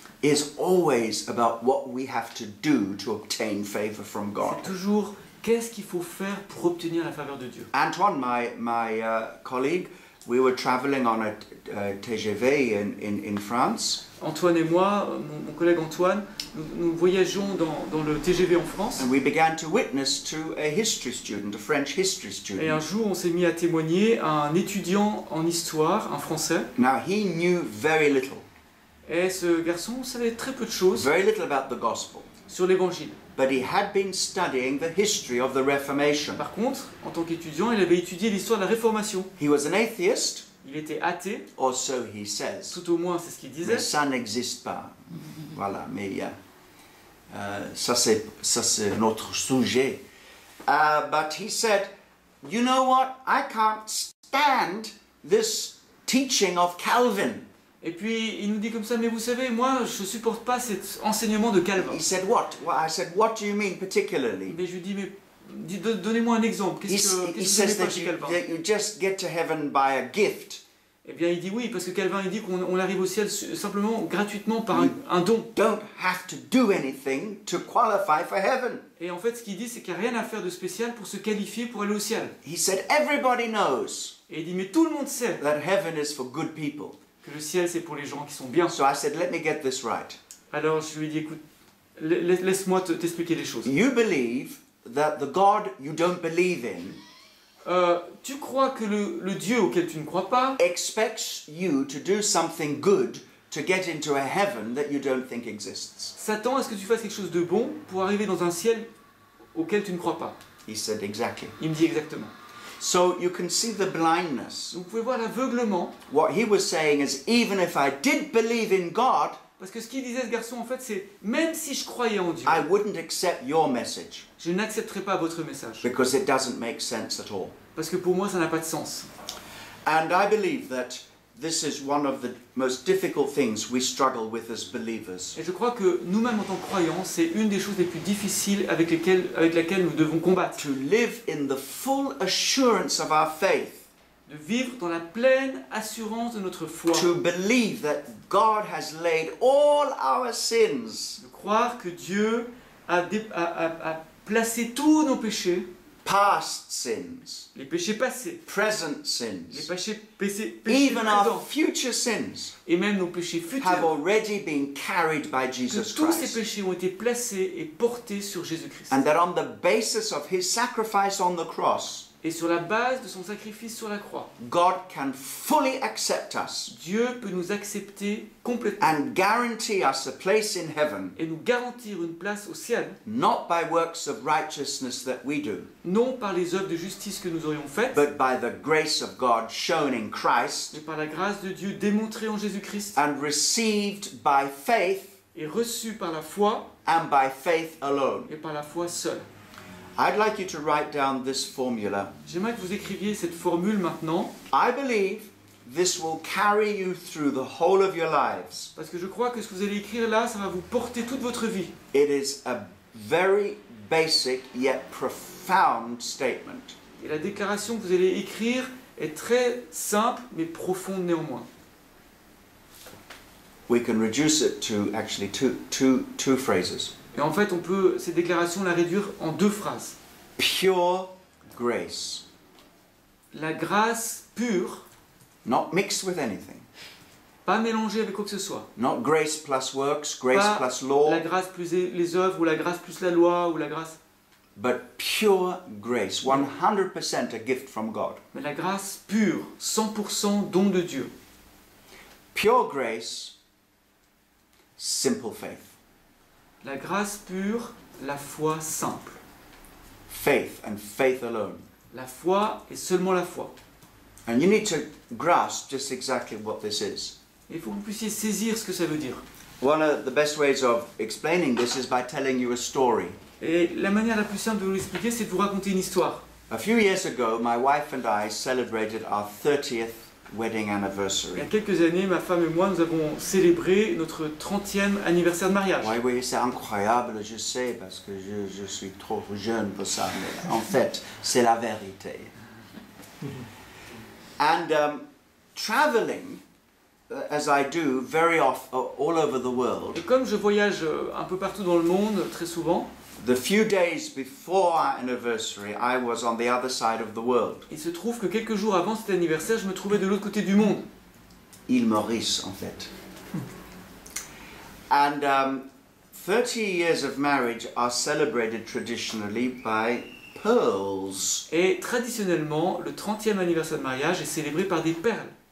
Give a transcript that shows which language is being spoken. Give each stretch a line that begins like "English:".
English: is always about what we have to do to obtain favor from God.
French: C'est toujours qu'est-ce qu'il faut faire pour obtenir la faveur de Dieu.
English: Antoine, my colleague, we were traveling on a TGV in France.
French: Antoine et moi, mon collègue Antoine, nous voyageons dans le TGV en France.
English: And we began to witness to a history student, a French history student.
French: Et un jour, on s'est mis à témoigner à un étudiant en histoire, un Français.
English: Now he knew very little.
French: Et ce garçon savait très peu de choses.
English: Very little about the gospel.
French: Sur l'Évangile.
English: But he had been studying the history of the Reformation.
French: Par contre, en tant qu'étudiant, il avait étudié l'histoire de la Réformation.
English: He was an atheist.
French: Il était athée.
English: Or so he says.
French: Tout au moins, c'est ce qu'il disait. Mais ça n'existe pas. Voilà, mais ça c'est notre sujet.
English: But he said, you know what? I can't stand this teaching of Calvin.
French: Et puis il nous dit comme ça, mais vous savez, moi je supporte pas cet enseignement de Calvin.
English: He said what? Well, I said, what do you mean particularly?
French: Mais je lui dis, mais Donnez-moi un exemple. Qu'est-ce que vous aimez par Calvin?
English: You just get to heaven by a gift.
French: Eh bien, il dit oui, parce que Calvin, il dit qu'on arrive au ciel simplement, gratuitement, par un don.
English: Don't have to do anything to qualify for heaven.
French: Et en fait, ce qu'il dit, c'est qu'il n'y a rien à faire de spécial pour se qualifier pour aller au ciel.
English: He said, everybody knows.
French: Et il dit, mais tout le monde sait.
English: That heaven is for good people.
French: Que le ciel, c'est pour les gens qui sont bien.
English: So I said, let me get this right.
French: Alors, je lui ai dit, écoute, laisse-moi t'expliquer les choses.
English: You believe that the God you don't believe in.
French: Tu crois que le Dieu auquel tu ne crois pas
English: expects you to do something good to get into a heaven that you don't think exists.
French: S'attend à ce que tu fasses quelque chose de bon pour arriver dans un ciel auquel tu ne crois pas.
English: He said exactly.
French: Il me dit exactement.
English: So you can see the blindness.
French: Vous pouvez voir l'aveuglement.
English: What he was saying is even if I did believe in God.
French: Parce que ce qu'il disait ce garçon en fait c'est même si je croyais en Dieu.
English: I wouldn't accept your message.
French: Je n'accepterais pas votre message.
English: Because it doesn't make sense at all.
French: Parce que pour moi ça n'a pas de sens.
English: And I believe that this is one of the most difficult things we struggle with as believers.
French: Et je crois que nous-mêmes en tant que croyants, c'est une des choses les plus difficiles avec laquelle nous devons combattre.
English: To live in the full assurance of our faith.
French: De vivre dans la pleine assurance de notre foi.
English: To believe that God has laid all our sins.
French: De croire que Dieu a placé tous nos péchés.
English: Past sins.
French: Les péchés passés.
English: Present sins.
French: Les péchés
English: even
French: présents.
English: Our future sins.
French: Et même nos péchés futurs.
English: Have already been carried by Jesus
French: que tous
English: Christ.
French: Tous ces péchés ont été placés et portés sur Jésus-Christ.
English: And that on the basis of His sacrifice on the cross.
French: Et sur la base de son sacrifice sur la croix.
English: God can fully accept us.
French: Dieu peut nous accepter complètement.
English: And guarantee us a place in heaven.
French: Et nous garantir une place au ciel.
English: Not by works of righteousness that we do.
French: Non par les œuvres de justice que nous aurions faites.
English: But by the grace of God shown in Christ.
French: Mais par la grâce de Dieu démontrée en Jésus-Christ.
English: And received by faith.
French: Et reçue par la foi.
English: And by faith alone.
French: Et par la foi seule.
English: I'd like you to write down this formula.
French: J'aimerais que vous écriviez cette formule maintenant.
English: I believe this will carry you through the whole of your lives.
French: Parce que je crois que ce que vous allez écrire là, ça va vous porter toute votre vie.
English: It is a very basic yet profound statement.
French: Et la déclaration que vous allez écrire est très simple mais profonde néanmoins.
English: We can reduce it to actually two phrases.
French: Et en fait, on peut cette déclaration la réduire en deux phrases.
English: Pure grace.
French: La grâce pure.
English: Not mixed with anything.
French: Pas mélangée avec quoi que ce soit.
English: Not grace plus works, grace
French: pas
English: plus law.
French: La grâce plus les œuvres ou la grâce plus la loi ou la grâce.
English: But pure grace, 100% a gift from God.
French: Mais la grâce pure, 100% don de Dieu.
English: Pure grace, simple faith.
French: La grâce pure, la foi simple.
English: Faith and faith alone.
French: La foi et seulement la foi.
English: And you need to grasp just exactly what this is.
French: Il faut que vous puissiez saisir ce que ça veut dire.
English: One of the best ways of explaining this is by telling you a story.
French: Et la manière la plus simple de vous l'expliquer, c'est de vous raconter une histoire.
English: A few years ago, my wife and I celebrated our 30th wedding anniversary.
French: Il y a quelques années, ma femme et moi, nous avons célébré notre 30e anniversaire de mariage. Oui, oui, c'est incroyable, je sais, parce que je suis trop jeune pour ça, mais en fait, c'est la vérité.
English: And traveling, as I do, very often, all over the world.
French: Et comme je voyage un peu partout dans le monde, très souvent.
English: The few days before our anniversary, I was on the other side of the world.
French: Il se trouve que quelques jours avant cet anniversaire, je me trouvais de l'autre côté du monde. Île Maurice, en fait.
English: And 30 years of marriage are celebrated traditionally by pearls.
French: Et traditionnellement, le 30e anniversaire de mariage est célébré par des perles.